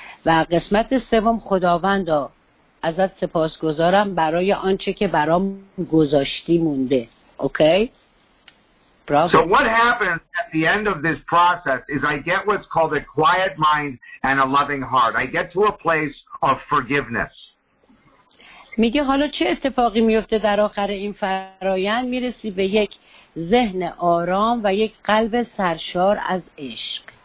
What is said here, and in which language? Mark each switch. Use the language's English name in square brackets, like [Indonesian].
[Persian] و قسمت سوم، خداوند ازت سپاسگزارم برای آنچه که برام گذاشتی مونده. [English] Okay? So what happens at the end of this process is I get what's called a quiet mind and a loving heart. I get to a place of forgiveness. [Persian] میگه حالا چه اتفاقی میفته در آخر این فرایند؟ میرسی به یک ذهن آرام و یک قلب سرشار از عشق.